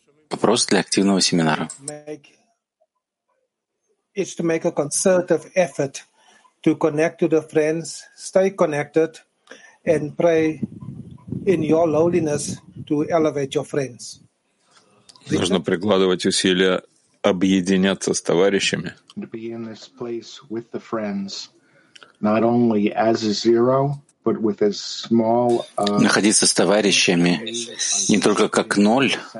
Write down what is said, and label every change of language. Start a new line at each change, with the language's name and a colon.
Russian: Вопрос для активного семинара.
English: It's to make a concerted effort to connect to the friends, stay connected, and pray in your lowliness to elevate your friends.
Russian: Нужно прикладывать усилия объединяться с товарищами.
English: To be in this place with the friends, not only as a zero, but with as small.
Russian: Находиться с товарищами не только как ноль.